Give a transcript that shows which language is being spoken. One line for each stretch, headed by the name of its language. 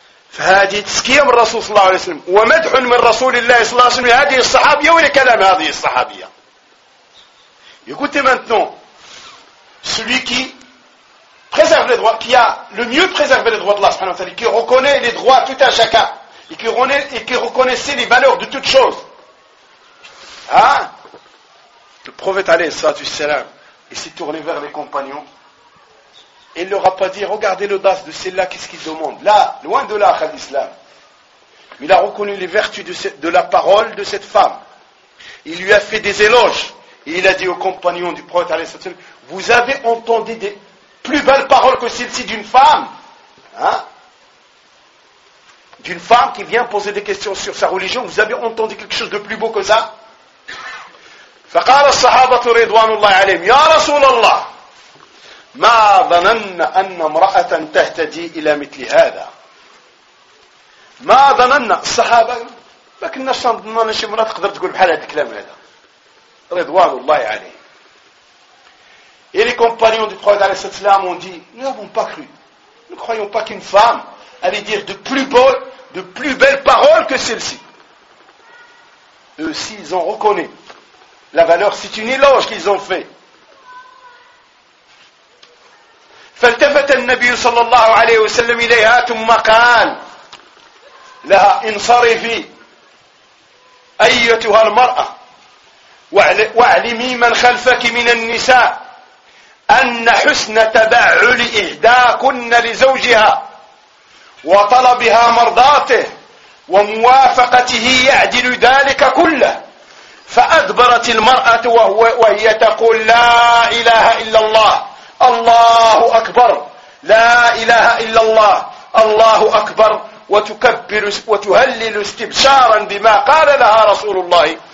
Arabic: فهذه تزكية من الرسول صلى الله عليه وسلم ومدح من رسول الله صلى الله عليه وسلم هذه الصحابية ولا كلام هذه الصحابية يقول
French: maintenant celui qui préserve les droits qui a le mieux préservé les droits de Allah سبحانه وتعالى qui reconnaît les droits tout un chacun et qui reconnaissait les valeurs de toutes choses hein Le prophète alayhi salatu salam, il s'est tourné vers les compagnons. Il ne leur a pas dit, regardez l'audace de celle-là, qu'est-ce qu'il demande. Là, loin de là, à l'islam. Mais il a reconnu les vertus de la parole de cette femme. Il lui a fait des éloges. Et il a dit aux compagnons du prophète alayhi salatu salam, vous avez entendu des plus belles paroles que celles-ci d'une femme. Hein? D'une femme qui vient poser des questions sur sa religion. Vous avez entendu quelque chose de plus beau que ça?
Arabic: فقال الصحابة رضوان الله عليهم يا رسول الله ما ظننا أن امرأة تهتدي إلى مثل هذا ما ظننا الصحابة ما كناش ظننا شي مرة تقدر تقول بحال هذا الكلام هذا رضوان الله عليهم
French: et les compagnons du prophète عليه الصلاة والسلام ont dit nous n'avons pas cru nous ne croyons pas qu'une femme allait dire de plus belles paroles que celle-ci eux aussi ils ont reconnu La valeur, c'est une éloge qu'ils ont fait.
Arabic: فَالْتَفَتَ النَّبِيُّ صَلَّى اللَّهُ عَلَيْهُ وَسَلَّمِ إِلَيْهَا ثُمَّ قَالْ لَهَا إِنْصَرِفِي أَيَّتُهَا الْمَرْأَةِ وَاعْلِمِي مَنْ خَلْفَكِ مِنَ النِّسَاءِ أَنَّ حُسْنَ تَبَعُلِ إِهْدَاكُنَّ لِزَوْجِهَا وَطَلَبِهَا مَرْضَاتِهِ وَمُوَافَقَتِهِ يَعْدِلُ ذَلِكَ كُلَّهُ فأدبرت المرأة وهي تقول لا إله إلا الله الله أكبر لا إله إلا الله الله أكبر وتكبر وتهلل استبشارا بما قال لها رسول الله